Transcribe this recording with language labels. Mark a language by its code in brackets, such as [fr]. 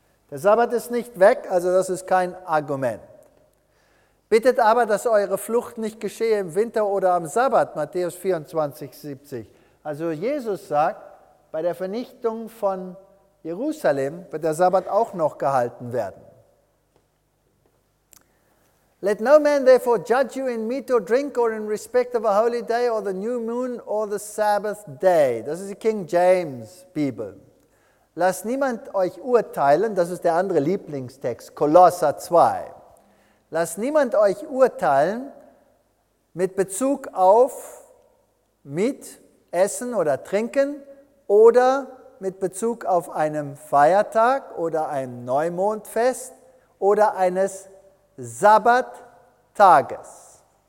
[de] Der Sabbat ist nicht weg, also das ist kein Argument. Bittet aber, dass eure Flucht nicht geschehe im Winter oder am Sabbat, Matthäus 24, 70. Also Jesus sagt, bei der Vernichtung von Jerusalem wird der Sabbat auch noch gehalten werden. [en] Let no man therefore judge you in meat or drink or in respect of a holy day or the new moon or the Sabbath day. [de] Das ist die King James Bibel. Lasst niemand euch urteilen, das ist der andere Lieblingstext, Kolosser 2. Lasst niemand euch urteilen mit Bezug auf Miet, Essen oder Trinken oder mit Bezug auf einen Feiertag oder ein Neumondfest oder eines Sabbattages.